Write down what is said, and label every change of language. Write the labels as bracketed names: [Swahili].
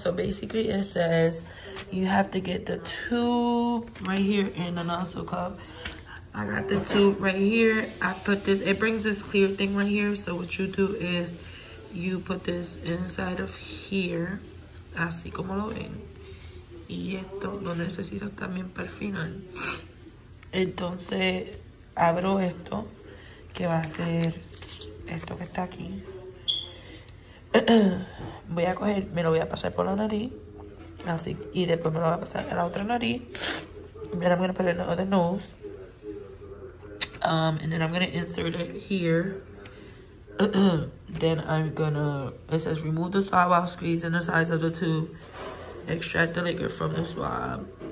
[English] So basically it says you have to get the tube right here in the nozzle cup. I got the tube right here. I put this, it brings this clear thing right here. So what you do is you put this inside of here. [Spanish] Así como lo ven. Y esto lo necesito también para el final. Entonces abro esto, que va a ser esto que está aquí. Voy a coger, me lo voy a pasar por la nariz. Así, y después me lo voy a pasar a la otra nariz. [English] Then I'm gonna put it in the other nose. And then I'm gonna insert it here. Then I'm gonna, it says remove the swab while squeezing the sides of the tube. Extract the liquor from the swab.